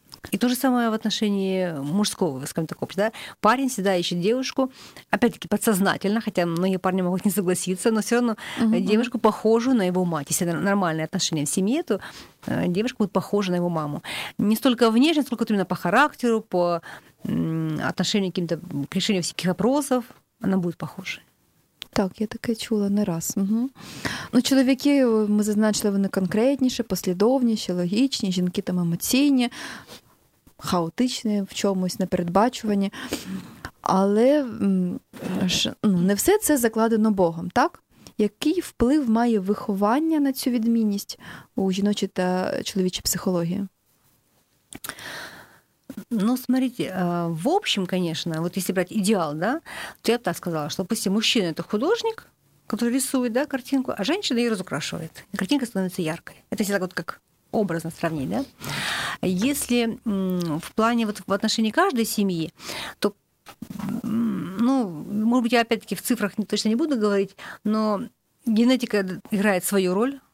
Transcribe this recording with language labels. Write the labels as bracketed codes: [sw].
[ru] И то же самое в отношении мужского, скажем так, общего. Да? Парень всегда ищет девушку, опять-таки подсознательно, хотя многие парни могут не согласиться, но все равно девушку похожую на его мать. Если нормальные отношения в семье, то девушка будет похожа на его маму. Не столько внешне, сколько именно по характеру, по отношению к каким-то, к решению всяких вопросов, она будет похожей. [uk] Так, я таке чула не раз. Угу. Ну, чоловіки, ми зазначили, вони конкретніші, послідовніші, логічні, жінки там емоційні, хаотичні в чомусь, непередбачувані. Але не все це закладено Богом, так? Який вплив має виховання на цю відмінність у жіночій та чоловічій психології? [ru] Ну, смотрите, в общем, конечно, вот если брать идеал, да, то я бы так сказала, что, допустим, мужчина – это художник, который рисует, да, картинку, а женщина ее разукрашивает, и картинка становится яркой. Это всегда вот как образно сравнить, да. Если в плане вот в отношении каждой семьи, то, ну, может быть, я опять-таки в цифрах точно не буду говорить, но генетика играет свою роль.